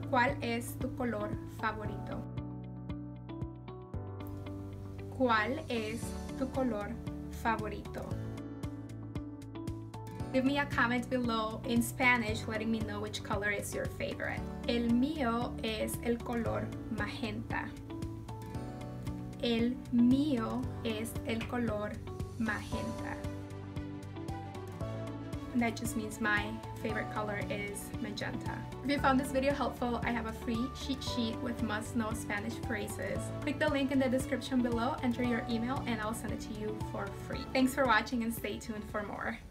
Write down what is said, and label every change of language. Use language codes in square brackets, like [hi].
[es] ¿Cuál es tu color favorito? ¿Cuál es tu color favorito? [en] Give me a comment below in Spanish letting me know which color is your favorite. [es] El mío es el color magenta. El mío es el color magenta. [en] And that just means my favorite color is magenta. If you found this video helpful, I have a free cheat sheet with must-know Spanish phrases. Click the link in the description below, enter your email, and I'll send it to you for free. Thanks for watching and stay tuned for more.